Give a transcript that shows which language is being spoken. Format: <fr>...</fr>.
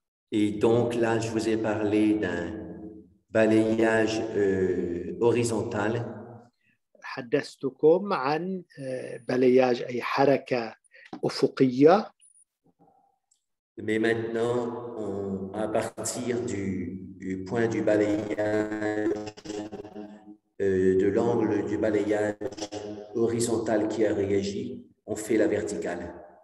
<fr>Et donc là, je vous ai parlé d'un balayage horizontal.</fr> <ar>حدثتكم عن balayage, أي حركة أفقية.</ar> <fr>Mais maintenant, à partir du point du balayage, de l'angle du balayage horizontal qui a réagi, on fait la verticale.</fr>